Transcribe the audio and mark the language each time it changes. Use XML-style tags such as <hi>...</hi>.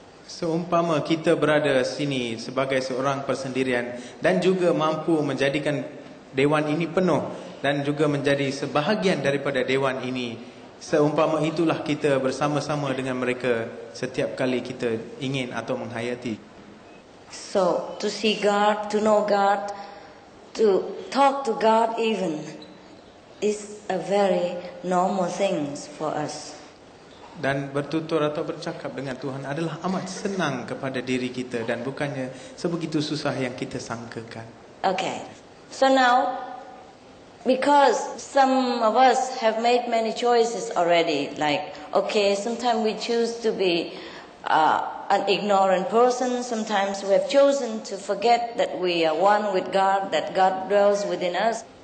<ms>Seumpama kita berada sini sebagai seorang persendirian dan juga mampu menjadikan dewan ini penuh dan juga menjadi sebahagian daripada dewan ini, seumpama itulah kita bersama-sama dengan mereka setiap kali kita ingin atau menghayati.</ms> <en>So to see God, to know God, to talk to God even is a very normal thing for us.</en> <ms>Dan bertutur atau bercakap dengan Tuhan adalah amat senang kepada diri kita dan bukannya sebegitu susah yang kita sangkakan.</ms> <en>Okay. So now, because some of us have made many choices already, like, okay, sometimes we choose to be an ignorant person, sometimes we have chosen to forget that we are one with God, that God dwells within us.</en>